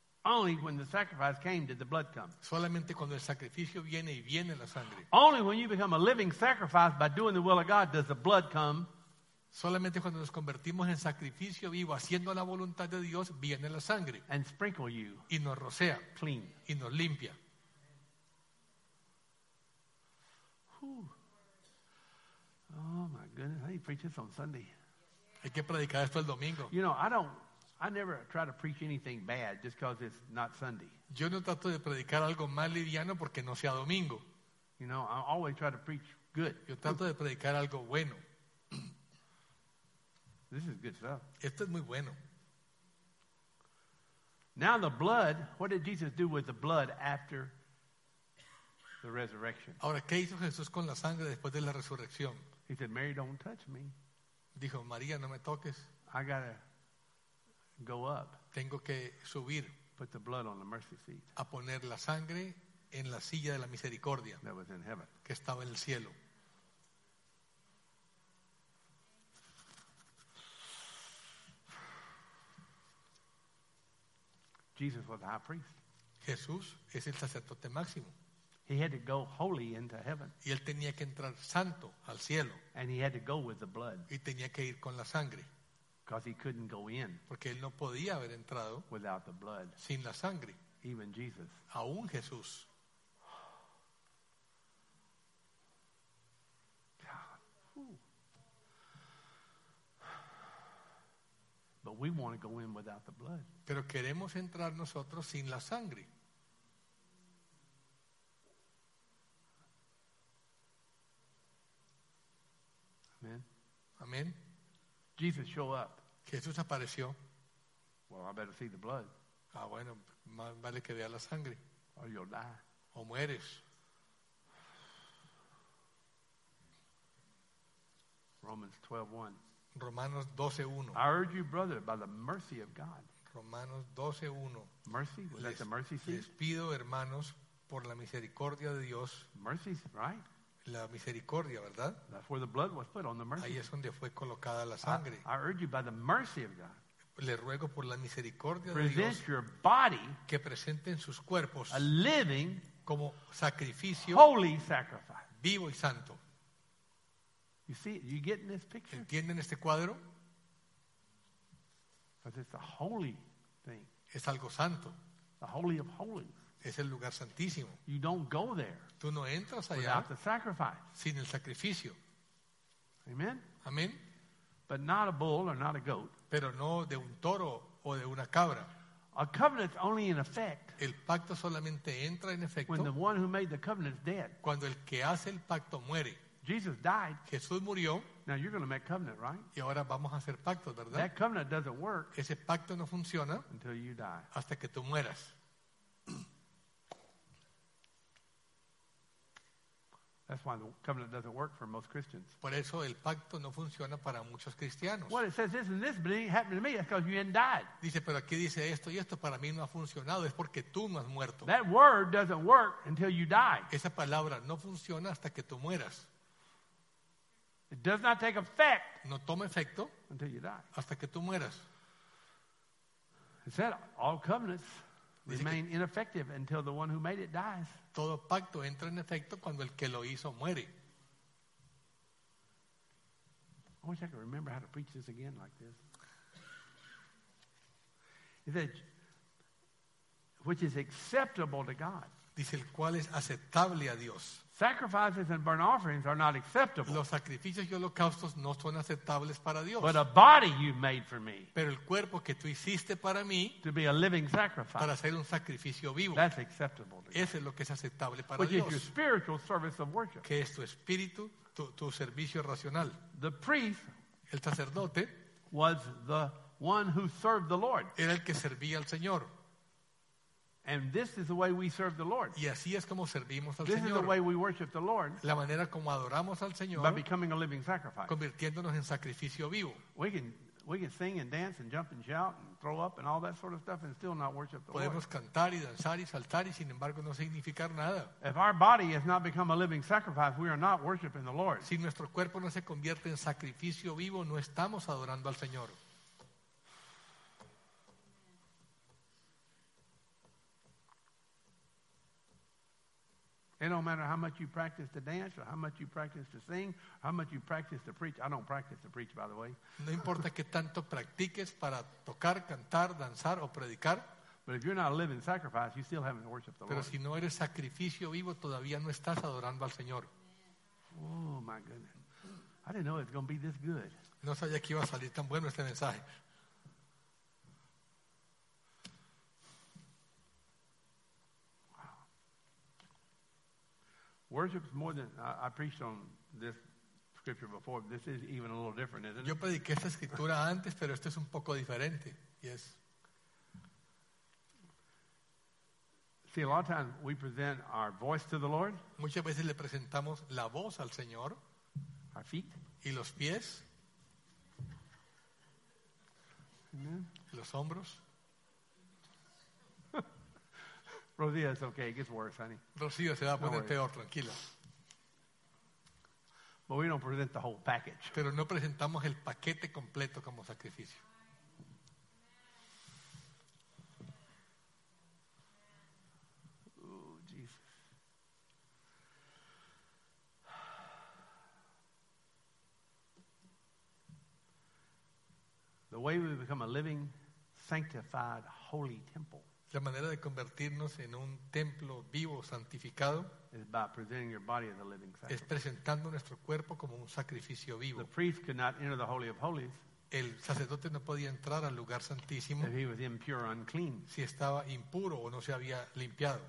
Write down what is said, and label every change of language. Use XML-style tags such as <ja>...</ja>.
<en>Only when the sacrifice came did the blood come.</en> <es>Solamente cuando el sacrificio viene y viene la sangre.</es> <en>Only when you become a living sacrifice by doing the will of God does the blood come.</en> <es>Solamente cuando nos convertimos en sacrificio vivo haciendo la voluntad de Dios viene la sangre.</es> <en>And sprinkle you.</en> <es>Y nos rocea.</es> <en>Clean.</en> <es>Y nos limpia. Whew.</es> <en>Oh my goodness, how do you preach this on Sunday?</en> <es>Hay que predicar esto el domingo.</es> <en>You know, I never try to preach anything bad just because it's not Sunday.</en> <es>Yo no trato de predicar algo mal liviano porque no sea domingo.</es> <en>You know, I always try to preach good.</en> <es>Yo trato de predicar algo bueno.</es> <en>This is good stuff.</en> <es>Esto es muy bueno.</es> <en>Now the blood, what did Jesus do with the blood after the resurrection?</en> <es>Ahora, ¿qué hizo Jesús con la sangre después de la resurrección?</es> <en>He said, Mary, don't touch me.</en> <es>Dijo, María, no me toques.</es> <en>I gotta go up.</en> <es>Tengo que subir.</es> <en>Put the blood on the mercy seat.</en> <es>A poner la sangre en la silla de la misericordia.</es> <en>That was in heaven.</en> <es>Que estaba en el cielo.</es> <en>Jesus was the high priest.</en> <es>Jesús es el sacerdote máximo.</es> <en>He had to go holy into heaven.</en> <es>Y él tenía que entrar santo al cielo.</es> <en>And he had to go with the blood.</en> <es>Y tenía que ir con la sangre.</es> <en>Because he couldn't go in.</en> <es>Porque él no podía haber entrado.</es> <en>Without the blood.</en> <es>Sin la sangre.</es> <en>Even Jesus.</en> <es>Aún Jesús.</es> <en>But we want to go in without the blood.</en> <es>Pero queremos entrar nosotros sin la sangre.</es> <en>Amen.</en> <es>Amen.</es> <en>Jesus show up.</en> <es>Jesús apareció.</es> <en>Well, I better see the blood.</en> <es>Ah, bueno, más vale que vea la sangre.</es> <en>Or you'll die.</en> <es>O mueres.</es> <en>Romans 12:1.</en> <es>Romanos 12:1.</es> <en>I urge you, brother, by the mercy of God.</en> <es>Romanos 12:1.</es> <en>Mercy? Was that the mercy seat?</en> <es>Les pido, hermanos, por la misericordia de Dios.</es> <en>Mercy, right?</en> <es>La misericordia, ¿verdad?</es> <en>That's where the blood was put on the mercy.</en> <es>Ahí es donde fue colocada la sangre.</es> <en>I urge you by the mercy of God.</en> <es>Le ruego por la misericordia</es> <en>present</en> <es>de Dios.</es> <en>Your body</en> <es>que presenten sus cuerpos</es> <en>a living,</en> <es>como sacrificio</es> <en>holy sacrifice.</en> <es>Vivo y santo.</es> <en>You see, you getting this picture?</en> <es>¿Entienden este cuadro?</es> <en>Because it's a holy thing.</en> <es>Es algo santo.</es> <en>The holy of holies.</en> <es>Es el lugar santísimo.</es> <en>You don't go there.</en> <es>Tú no entras allá.</es> <en>Without the sacrifice.</en> <es>Sin el sacrificio.</es> <en>Amen.</en> <es>Amén.</es> <en>But not a bull or not a goat.</en> <es>Pero no de un toro o de una cabra.</es> <en>A covenant only in effect.</en> <es>El pacto solamente entra en efecto.</es> <en>When the one who made the covenant is dead.</en> <es>Cuando el que hace el pacto muere.</es> <en>Jesus died.</en> <es>Jesús murió.</es> <en>Now you're going to make covenant, right?</en> <es>Y ahora vamos a hacer pactos, ¿verdad?</es> <en>That covenant doesn't work.</en> <es>Ese pacto no funciona.</es> <en>Until you die.</en> <es>Hasta que tú mueras.</es> <en>That's why the covenant doesn't work for most Christians.</en> <es>Por eso el pacto no funciona para muchos cristianos.</es> <en>Well, it says this and this, but it happened to me. That's because you hadn't died.</en> <es>Dice, pero aquí dice esto y esto para mí no ha funcionado. Es porque tú no has muerto.</es> <en>That word doesn't work until you die.</en> <es>Esa palabra no funciona hasta que tú mueras.</es> <en>It does not take effect.</en> <es>No toma efecto</es> <en>until you die.</en> <es>Hasta que tú mueras.</es> <en>It said all covenants. Remain ineffective until the one who made it dies.</en> <es>Todo pacto entra en efecto cuando el que lo hizo muere.</es> <en>I wish I could remember how to preach this again like this. He said, which is acceptable to God.</en> <es>Dice, el cual es aceptable a Dios.</es> <en>Sacrifices and burnt offerings are not acceptable.</en> <es>Los sacrificios y holocaustos no son aceptables para Dios.</es> <en>But a body you made for me.</en> <es>Pero el cuerpo que tú hiciste para mí.</es> <en>To be a living sacrifice.</en> <es>Para ser un sacrificio vivo.</es> <en>That's acceptable.</en> <es>Ese es lo que es aceptable para</es> <en>Which</en> <es>Dios.</es> <en>Which is your spiritual service of worship.</en> <es>Que es tu espíritu, tu servicio racional.</es> <en>The priest.</en> <es>El sacerdote.</es> <en>Was the one who served the Lord.</en> <es>Era el que servía al Señor.</es> <en>And this is the way we serve the Lord.</en> <es>Y así es como servimos al</es> <en>this</en> <es>Señor.</es> <en>Is the way we worship the Lord.</en> <es>La manera como adoramos al Señor.</es> <en>By becoming a living sacrifice.</en> <es>Convirtiéndonos en sacrificio vivo.</es> <en>We can sing and dance and jump and shout and throw up and all that sort of stuff and still not worship the</en> <es>Podemos Cantar y danzar y saltar y sin embargo no significar nada.</es> <en>If our body has not become a living sacrifice, we are not worshiping the Lord.</en> <es>Si nuestro cuerpo no se convierte en sacrificio vivo, no estamos adorando al Señor.</es> <en>It don't matter how much you practice to dance or how much you practice to sing, how much you practice to preach. I don't practice to preach, by the way.</en> <es>No importa qué tanto practiques para tocar, cantar, danzar o predicar.</es> <en>But if you're not a living sacrifice, you still haven't worshiped the</en> <es>Pero</es> <en>Lord.</en> <es>Pero si no eres sacrificio vivo, todavía no estás adorando al Señor.</es> <en>Oh, my goodness. I didn't know it was going to be this good.</en> <es>No sabía que iba a salir tan bueno este mensaje.</es> <en>Worship is more than, I preached on this scripture before, this is even a little different, isn't it?</en> <es>Yo prediqué esta escritura antes, pero esto es un poco diferente. Yes.</es> <en>See, a lot of times we present our voice to the Lord.</en> <es>Muchas veces le presentamos la voz al Señor.</es> <en>Our feet.</en> <es>Y los pies.</es> <en>Amen.</en> <es>Los hombros.</es> <en>Rocío, it's okay. It gets worse, honey.</en> <es>Rocío se va a poner peor, tranquila.</es> <en>But we don't present the whole package.</en> <es>Pero no presentamos el paquete completo como sacrificio.</es> <en>Oh, Jesus. The way we become a living, sanctified, holy temple.</en> <es>La manera de convertirnos en un templo vivo, santificado, es presentando nuestro cuerpo como un sacrificio vivo. El sacerdote no podía entrar al lugar santísimo si estaba impuro o no se había limpiado.</es>